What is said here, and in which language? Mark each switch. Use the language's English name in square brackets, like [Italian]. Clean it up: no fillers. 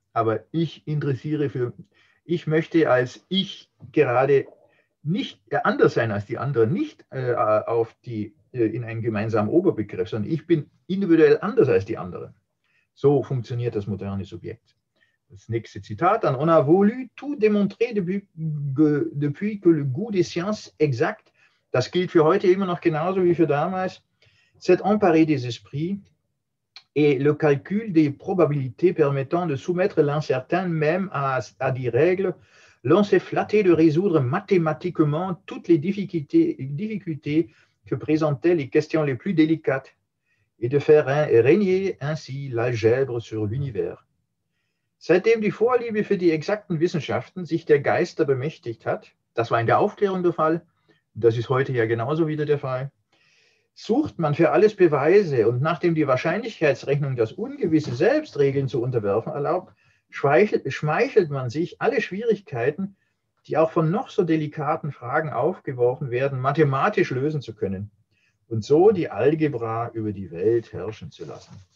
[German] Aber ich möchte als ich gerade nicht anders sein als die anderen, nicht in einen gemeinsamen Oberbegriff, sondern ich bin individuell anders als die anderen. So funktioniert das moderne Subjekt. Das nächste Zitat: dann, [French] on a voulu tout démontrer depuis que le goût des sciences exact, [German] das gilt für heute immer noch genauso wie für damals, [French] s'est emparé des esprits et le calcul des probabilités permettant de soumettre l'incertain même à des règles, l'on s'est flatté de résoudre mathématiquement toutes les difficultés que présentaient les questions les plus délicates et de faire régner ainsi l'algèbre sur l'univers. [German] Seitdem die Vorliebe für die exakten Wissenschaften sich der Geister bemächtigt hat, das war in der Aufklärung der Fall, das ist heute ja genauso wieder der Fall, sucht man für alles Beweise und nachdem die Wahrscheinlichkeitsrechnung das Ungewisse selbst Regeln zu unterwerfen erlaubt, schmeichelt man sich alle Schwierigkeiten, die auch von noch so delikaten Fragen aufgeworfen werden, mathematisch lösen zu können und so die Algebra über die Welt herrschen zu lassen.